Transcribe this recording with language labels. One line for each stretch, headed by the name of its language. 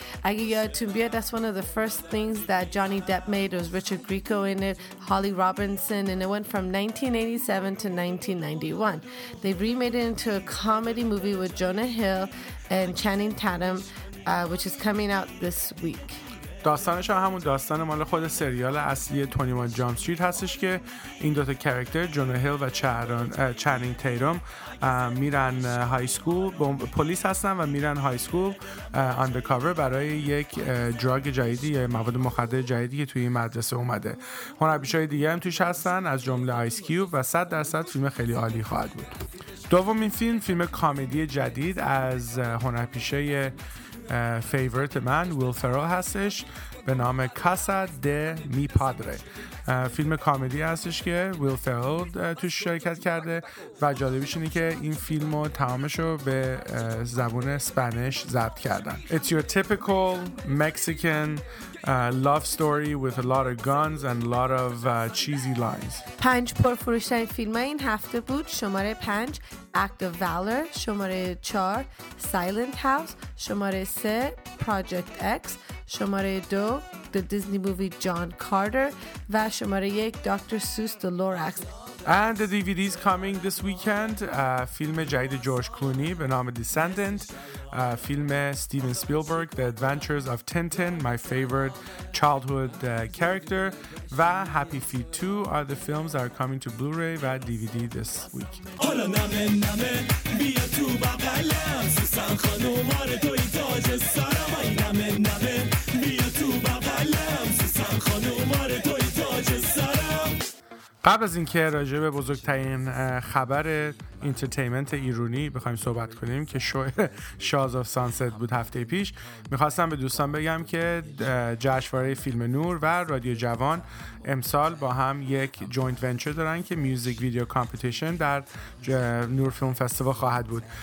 Persian: اگه یادتون بیاد،
English: that's one of the first things that Johnny Depp made. It was Richard Grieco in it, Holly Robinson, and it went from 1987 to 1991. They've remade it into a comedy movie with Jonah Hill and Channing Tatum, which is coming out this week.
Persian: داستانش همون داستان مال خود سریال اصلی 21 Jump Street هستش، که این دوتا کرکتر جونا هیل و چنینگ تیرام میرن های سکول، پلیس هستن و میرن های سکول اندرکاور برای یک دراگ جدیدی یا مواد مخدر جدیدی که توی این مدرسه اومده. هنرمندهای دیگه هم توش هستن از جمله آیس کیوب، و 100% فیلم خیلی عالی خواهد بود. دومین فیلم، فیلم کامیدی جدید از هنرمندهای فیوریت من ویل فرال هستش، به نام کاسا د می پادره. فیلم کامیدی هستش که ویل فرال توش شرکت کرده، و جالبیش اینه که این فیلم رو تمامش رو به زبان اسپانیش ضبط کردن.
English: It's your typical Mexican love story with a lot of guns and a lot of cheesy lines.
Persian: 5 پرفروش‌ترین فیلم این هفته بود. شماره 5 Act of Valor، شماره 4 Silent House، شماره 3 Project X، شماره 2 The Disney Movie John Carter، و شماره 1 Dr.
English: Seuss The Lorax. And the DVDs coming this weekend.
Persian: فیلم جدید جورج کلونی به نام Descendant. فیلم استیون اسپیلبرگ The Adventures of Tintin،
English: My Favorite Childhood Character. و Happy Feet 2 are the films that are coming to Blu-ray و DVD this week.
Persian: حالا نمه نمه بیا تو بقلم، سوسن خانوم آره توی تاج سرم. آی نمه نمه بیا تو بقلم، سوسن خانوم آره توی تاج سرم. قبل از اینکه راجع به بزرگترین خبر انترتینمنت ایرانی بخوایم صحبت کنیم، که شو شاز آف سانست بود هفته پیش، میخواستم به دوستان بگم که جشنواره فیلم نور و رادیو جوان امسال با هم یک جوینت ونچر دارن که میوزیک ویدیو کامپیتیشن در نور فیلم فستیوال خواهد بود.